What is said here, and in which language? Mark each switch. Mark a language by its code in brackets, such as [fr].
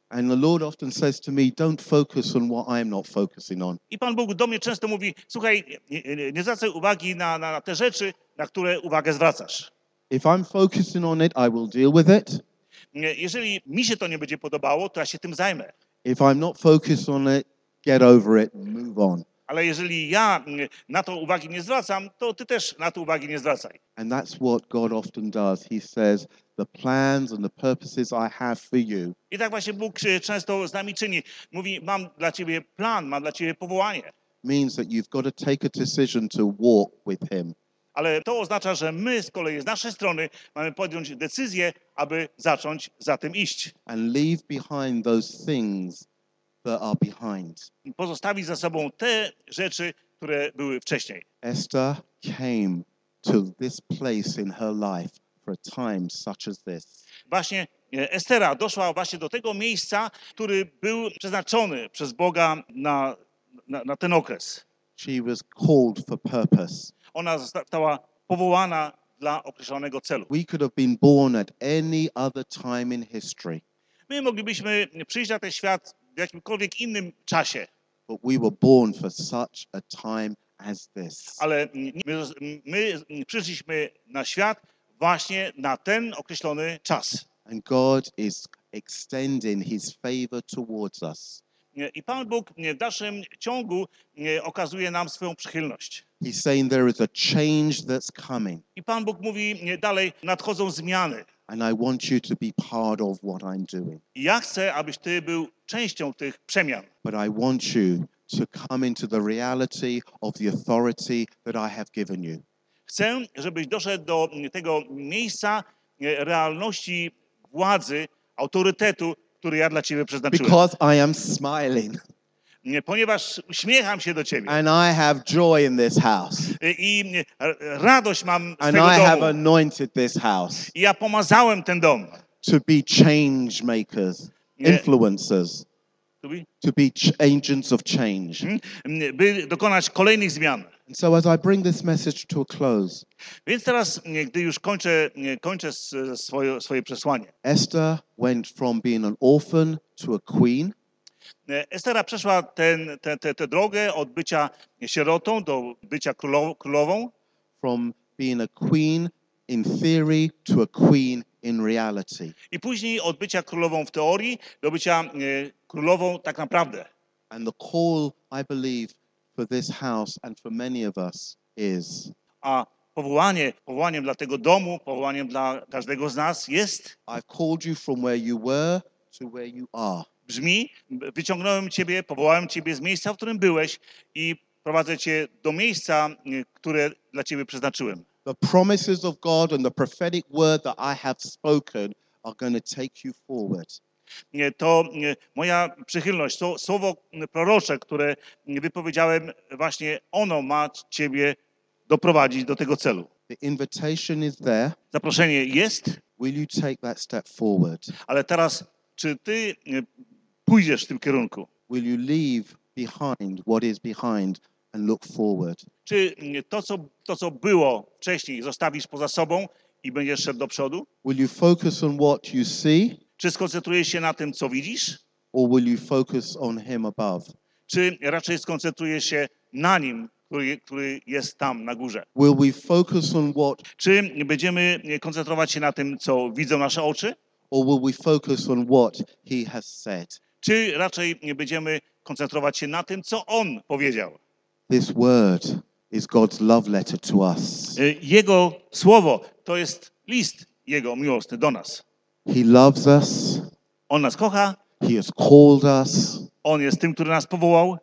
[en] And the Lord often says to me, don't focus on what I am not focusing on. [pl] I Pan Bóg do mnie często mówi, słuchaj, nie zwracaj uwagi na te rzeczy, na które uwagę zwracasz. [en] If I'm focusing on it, I will deal with it. [pl] Jeżeli mi się to nie będzie podobało, to ja się tym zajmę. [en] If I'm not focused on it, get over it, move on. [pl] Ale jeżeli ja na to uwagi nie zwracam, to ty też na to uwagi nie zwracaj. [en] And that's what God often does. He says, the plans and the purposes I have for you. [pl] I tak właśnie Bóg często z nami czyni. Mówi, mam dla ciebie plan, mam dla ciebie powołanie. [en] Means that you've got to take a decision to walk with him. [pl] Ale to oznacza, że my z kolei z naszej strony mamy podjąć decyzję, aby zacząć za tym iść. [en] And leave behind those things that are behind. [pl] Pozostawić za sobą te rzeczy, które były wcześniej. [en] Esther came to this place in her life for a time such as this. [pl] Właśnie Estera doszła właśnie do tego miejsca, który był przeznaczony przez Boga na ten okres. [en] She was called for purpose. [pl] Ona została powołana dla określonego celu. [en] We could have been born at any other time in history. [pl] My moglibyśmy przyjść na ten świat w jakimkolwiek innym czasie. [en] But we were born for such a time as this. [pl] Ale my przyszliśmy na świat właśnie na ten określony czas. [en] And God is extending his favor towards us. [pl] I Pan Bóg w dalszym ciągu okazuje nam swoją przychylność. [en] He's saying there is a change that's coming. [pl] I Pan Bóg mówi dalej, nadchodzą zmiany. [en] And I want you to be part of what I'm doing. [pl] Ja chcę, abyś ty był częścią tych przemian. [en] But I want you to come into the reality of the authority that I have given you. [pl] Chcę, żebyś doszedł do tego miejsca realności władzy, autorytetu, który ja dla ciebie przeznaczyłem. [en] Because I am smiling. [pl] Ponieważ uśmiecham się do ciebie. [en] And I have joy in this house. [pl] I radość mam z [en] and [pl] tego [en] I [pl] domu. [en] I have anointed this house. [pl] I ja pomazałem ten dom. [en] To be change makers, influencers. To be agents of change. [pl] By dokonać kolejnych zmian. [en] And so as I bring this message to a close. [pl] Więc teraz, gdy już kończę swoje przesłanie. [en] Esther went from being an orphan to a queen. [pl] Estera przeszła tę drogę od bycia sierotą do bycia królową. [en] From being a queen in theory to a queen in reality. [pl] I później od bycia królową w teorii do bycia królową tak naprawdę. [en] And the call, I believe, for this house and for many of us is. [pl] A powołaniem dla tego domu, powołaniem dla każdego z nas jest. [en] I've called you from where you were to where you are. [pl] Brzmi, wyciągnąłem ciebie, powołałem ciebie z miejsca, w którym byłeś i prowadzę cię do miejsca, które dla ciebie przeznaczyłem. [en] The promises of God and the prophetic word that I have spoken are going to take you forward. [pl] To moja przychylność, to słowo prorocze, które wypowiedziałem, właśnie ono ma ciebie doprowadzić do tego celu. [en] The invitation is there. [pl] Zaproszenie jest. [en] Will you take that step forward? [pl] Ale teraz, czy ty pójdziesz w tym kierunku? [en] Will you leave behind what is behind and look forward? [pl] Czy to co było wcześniej zostawisz poza sobą i będziesz szedł do przodu? [en] Will you focus on what you see? [pl] Czy skoncentrujesz się na tym, co widzisz? [en] Or will you focus on him above? [pl] Czy raczej skoncentrujesz się na nim, który jest tam na górze? [en] Will we focus on what? [pl] Czy będziemy koncentrować się na tym, co widzą nasze oczy? [en] Or will we focus on what he has said? [pl] Czy raczej nie będziemy koncentrować się na tym, co on powiedział? [en] This word is God's love letter to us. [pl] Jego słowo to jest list jego miłosny do nas. [en] He loves us. [pl] On nas kocha. [en] He has called us. [pl] On jest tym, który nas powołał.